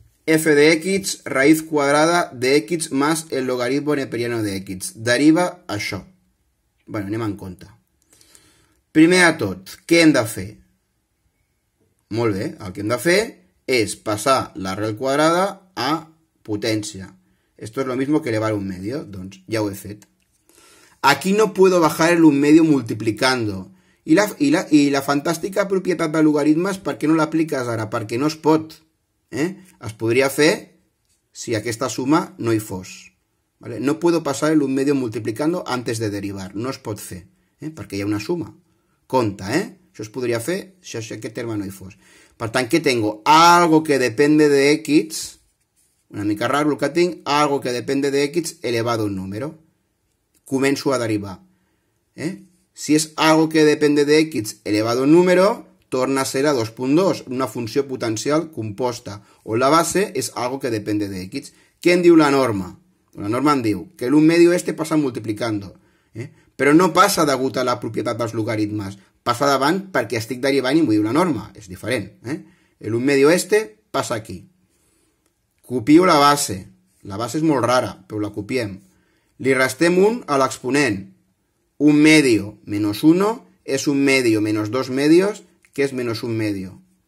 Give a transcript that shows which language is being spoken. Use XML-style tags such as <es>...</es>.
<ca>F de x, raïs quadrada de x més el logaritmo neperiano de x. Deriva això. Bé, anem en compte. Primer de tot, què hem de fer? Molt bé, el que hem de fer és passar l'arrel quadrada a potència.</ca> <es>Esto es lo mismo que elevar un medio.</es> <ca>Doncs ja ho he fet.</ca> <es>Aquí no puedo bajar el un medio multiplicando.</es> <ca>I la fantàstica propietat de logaritmes, per què no l'apliques ara? Perquè no es pot. Es podria fer si aquesta suma no hi fos.</ca> <es>No puedo pasar el un medio multiplicando antes de derivar.</es> <ca>No es pot fer, perquè hi ha una suma. Compte, això es podria fer si aquest terme no hi fos. Per tant, què tengo?</ca> <es>Algo que depende de x,</es> <ca>una mica raro el que tinc,</ca> <es>algo que depende de x elevado a un número.</es> <ca>Començo a derivar. Si és</ca> <es>algo que depende de x elevado a un número,</es> <ca>torna a ser a 2.2, una funció potencial composta, on la base és algo que depende de x. Què en diu la norma? La norma em diu que l'</ca> <es>un medio este</es> <ca>passa multiplicando. Però no passa degut a la propietat dels logaritmes, passa davant perquè estic derivant i m'ho diu la norma, és diferent. L'un medio este passa aquí. Copio la base, la base és molt rara, però la copiem. Li restem 1 a l'exponent.</ca> <es>Un medio menos 1 es un medio menos 2 medios, que es menos un medio.</es>